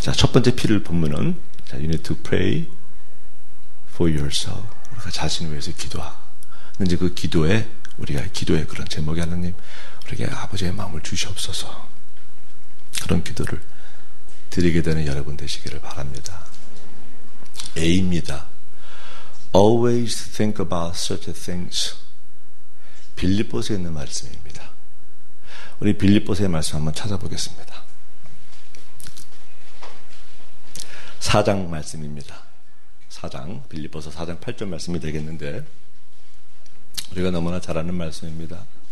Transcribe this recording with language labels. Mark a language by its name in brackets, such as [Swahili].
[English] 자, 첫 번째 필요한 본문은 자, you need to pray for yourself. [Korean] 우리가 자신을 위해서 기도하고 이제 그 기도에 우리가 기도의 그런 제목이 하나님 우리에게 아버지의 마음을 주시옵소서 그런 기도를 드리게 되는 여러분 되시기를 바랍니다. A입니다. [English] Always think about such things. [Korean] 빌립보서에 있는 말씀입니다. 우리 빌립보서의 말씀 한번 찾아보겠습니다. 4장 말씀입니다. 4장 빌립보서 4장 8절 말씀이 되겠는데 우리가 너무나 잘 아는 말씀입니다.